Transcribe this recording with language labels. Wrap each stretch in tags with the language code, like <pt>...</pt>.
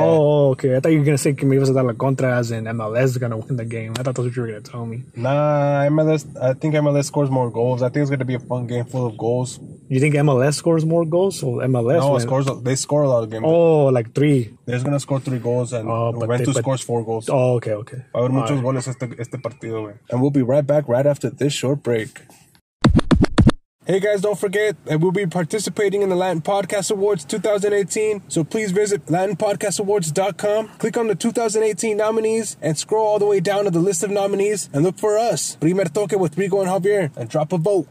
<en>Oh, okay. I thought you were gonna say</en> <es>que me ibas a dar la contra</es> <en>as in MLS is gonna win the game. I thought that's what you were gonna tell me. Nah, MLS. I think MLS scores more goals. I think it's gonna be a fun game full of goals. You think MLS scores more goals? So MLS? No, they score a lot of games. Oh, like three. They're gonna score three goals, and Juventus scores four goals. Oh, okay.</en> <es>Va a haber muchos goles este partido, man.</es> <en>And we'll be right back right after this short break. Hey guys, don't forget that we'll be participating in the Latin Podcast Awards 2018. So please visit LatinPodcastAwards.com. Click on the 2018 nominees and scroll all the way down to the list of nominees and look for us, Primer Toque with Rigo and Javier, and drop a vote.</en>